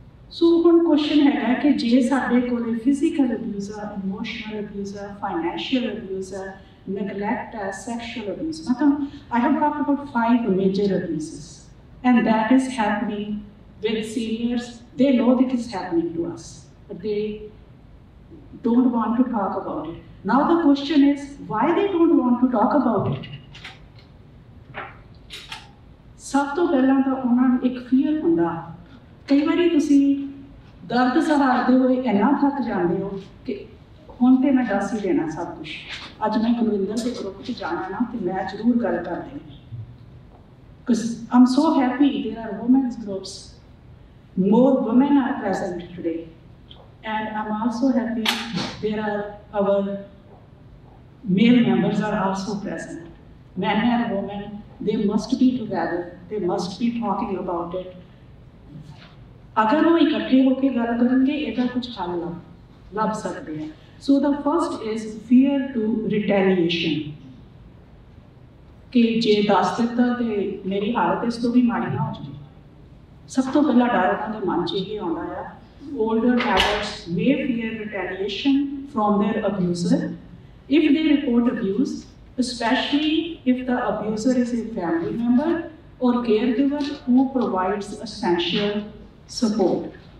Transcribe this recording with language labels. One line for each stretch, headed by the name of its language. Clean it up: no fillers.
Punjabi: ਸੋ ਹੁਣ ਕੁਸ਼ਚਨ ਹੈਗਾ ਕਿ ਜੇ ਸਾਡੇ ਕੋਲ ਫਿਜ਼ੀਕਲ ਅਬਿਊਜ਼ ਆ, ਇਮੋਸ਼ਨਲ ਅਬਿਊਜ਼ ਆ, ਫਾਈਨੈਂਸ਼ੀਅਲ ਅਬਿਊਜ਼ ਆ, ਨੈਗਲੈਕਟ ਆ, ਸੈਕਸ਼ੁਅਲ ਅਬਿਊਜ਼, ਮਤਲਬ
English: I have talked about 5 major abuses and that is happening with seniors, they know that is happening to us, but they don't want to talk about it. Now the question is, why they don't want to talk about it?
Punjabi: ਸਭ ਤੋਂ ਪਹਿਲਾਂ ਤਾਂ ਉਹਨਾਂ ਨੂੰ ਇੱਕ fear ਹੁੰਦਾ। ਕਈ ਵਾਰੀ ਤੁਸੀਂ ਦਰਦ ਸਹਾਰਦੇ ਹੋਏ ਇੰਨਾ ਥੱਕ ਜਾਂਦੇ ਹੋ ਕਿ ਹੁਣ ਤਾਂ ਮੈਂ ਦੱਸ ਹੀ ਦੇਣਾ ਸਭ ਕੁਛ, ਅੱਜ ਮੈਂ ਗੁਰਵਿੰਦਰ ਦੇ ਗਰੁੱਪ 'ਚ ਜਾਣਾ ਨਾ ਅਤੇ ਮੈਂ ਜ਼ਰੂਰ ਗੱਲ ਕਰ ਦੇਣੀ।
English: Because I am so happy there are women's groups, more women are present today, and I am also happy there are our male members are also present, man and woman, they must be together, they must be talking about it.
Punjabi: ਅਗਰ ਉਹ ਇਕੱਠੇ ਹੋ ਕੇ ਗੱਲ ਕਰਨਗੇ ਇਹਦਾ ਕੁਛ ਹੱਲ ਲੱਭ ਸਕਦੇ ਹਾਂ।
English: so the first is fear to retaliation,
Punjabi: ਕਿ ਜੇ ਦੱਸ ਦਿੱਤਾ ਤਾਂ ਮੇਰੀ ਹਾਲਤ ਇਸ ਤੋਂ ਵੀ ਮਾੜੀ ਨਾ ਹੋ ਜਾਵੇ। ਸਭ ਤੋਂ ਪਹਿਲਾਂ ਡਰ ਉਹਨਾਂ ਦੇ ਮਨ 'ਚ ਹੀ ਆਉਂਦਾ ਆ।
English: Older members may fear retaliation from their abuser if they report abuse, especially if the abuser is a family member or caregiver who provides essential support.